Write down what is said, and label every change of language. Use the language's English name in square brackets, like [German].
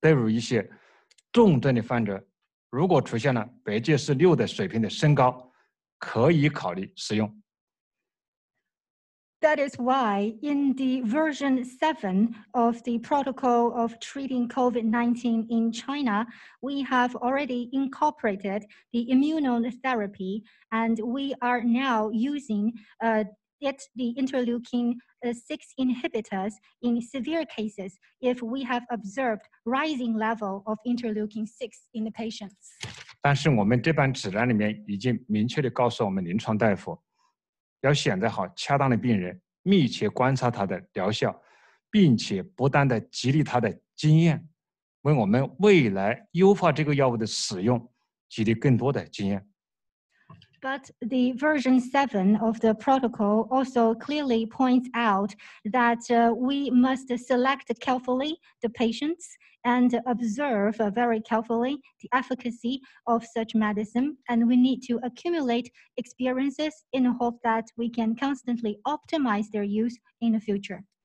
[Chinese] 在这里我还要提出提一点的是，在我们中国的新冠肺炎的诊疗指南的第7版指南里面，已经将免疫治疗纳入到我们的诊疗方案之中，在临床上对于一些重症的患者。如果出现了白介素6的水平的升高，可以考虑使用。 [English] That is why in the version 7 of the protocol of treating COVID-19 in China, we have already incorporated the immunotherapy and we are now using the interleukin 6 inhibitors in severe cases if we have observed rising level of interleukin 6 in the patients. [Chinese] 但是我们这版指南里面已经明确地告诉我们临床大夫，要选择好恰当的病人，密切观察他的疗效，并且不断地激励他的经验，为我们未来优化这个药物的使用，激励更多的经验。 [English] But the version 7 of the protocol also clearly points out that we must select carefully the patients and observe very carefully the efficacy of such medicine. And we need to accumulate experiences in the hope that we can constantly optimize their use in the future.